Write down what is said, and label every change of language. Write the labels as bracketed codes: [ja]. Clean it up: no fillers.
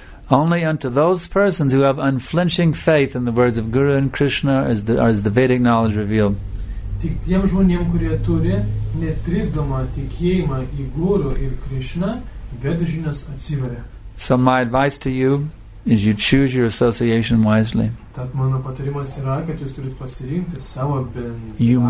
[en] Only unto those persons who have unflinching faith in the words of Guru and Krishna is the Vedic knowledge revealed. [lt] Tik tiem žmonėm, kurie turi netrikdomą tikėjimą į Guru ir Krishna, Vedų žinias atsiveria. [en] So my advice to you is you choose your association wisely. [lt] Tad mano patarimas yra, kad jūs turite pasirinkti savo bendrą.